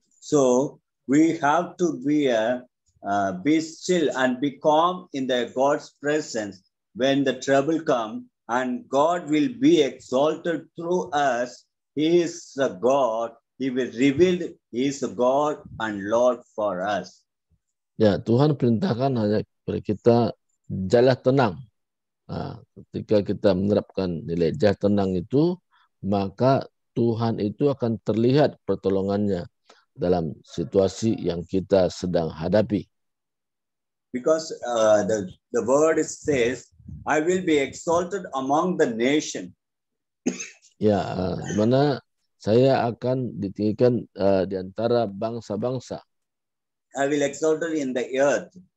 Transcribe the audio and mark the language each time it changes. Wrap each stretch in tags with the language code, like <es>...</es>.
<en>So we have to be still and be calm in the God's presence when the trouble comes. And God will be exalted through us. He is a God. He will reveal He is a God and Lord for us.</en> <id>Ya, Tuhan perintahkan hanya kepada kita jalan tenang. Nah, ketika kita menerapkan nilai jah tenang itu, maka Tuhan itu akan terlihat pertolongannya dalam situasi yang kita sedang hadapi.</id> <en>Because the word says, I will be exalted among the nation.</en> <id>Ya, di mana saya akan ditinggikan di antara bangsa-bangsa.</id> <en>I will exalted in the earth.</en>